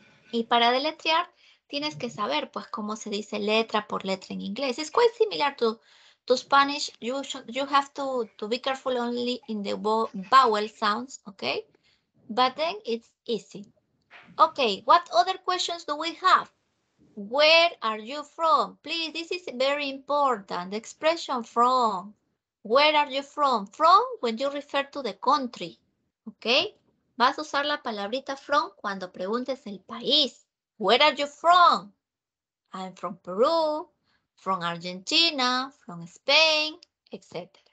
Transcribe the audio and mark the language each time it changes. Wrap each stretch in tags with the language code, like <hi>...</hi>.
<es>Y para deletrear, tienes que saber, pues, cómo se dice letra por letra en inglés.</es> <en>It's quite similar to Spanish. You have to be careful only in the vowel sounds, okay? But then it's easy. Okay, what other questions do we have? Where are you from? Please, this is very important. The expression from. Where are you from? From, when you refer to the country. Okay?</en> <es>Vas a usar la palabrita from cuando preguntes el país.</es> <en>Where are you from? I'm from Peru, from Argentina, from Spain, etc.</en>